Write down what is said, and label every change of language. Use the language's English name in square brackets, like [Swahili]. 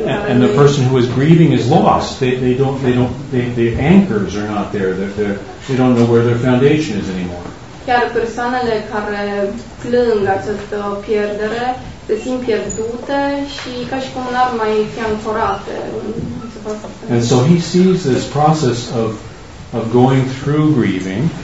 [English] And the person who is grieving is lost. They don't anchors are not there. They don't know where their foundation is anymore. [Romanian] Chiar persoanele care plâng această pierdere se simt pierdute și ca și cum n-ar mai fi ancorate. [English] And so he sees this process of going through grieving.